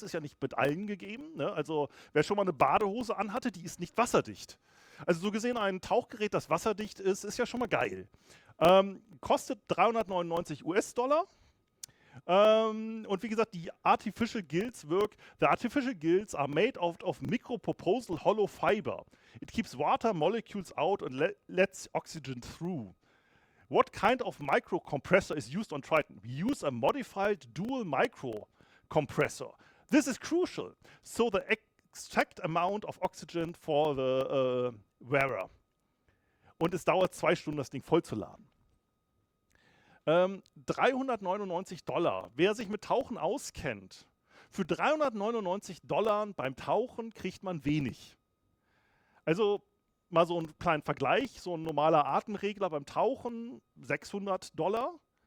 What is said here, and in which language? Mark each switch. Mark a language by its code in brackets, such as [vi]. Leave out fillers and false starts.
[de] Ist ja nicht mit allen gegeben. Ne? Also wer schon mal eine Badehose anhatte, die ist nicht wasserdicht. Also so gesehen, ein Tauchgerät, das wasserdicht ist, ist ja schon mal geil. Kostet 399 US-Dollar. Und wie gesagt, die [en] Artificial Gills work. The Artificial Gills are made out of microproposal hollow fiber. It keeps water molecules out and lets oxygen through. What kind of microcompressor is used on Triton? We use a modified dual microcompressor. This is crucial. So the exact amount of oxygen for the wearer. [de] Und es dauert 2 Stunden, das Ding vollzuladen. 399 Dollar. Wer sich mit Tauchen auskennt, für 399 Dollar beim Tauchen kriegt man wenig. Also mal so einen kleinen Vergleich, so ein normaler Atemregler beim Tauchen, 600 Dollar.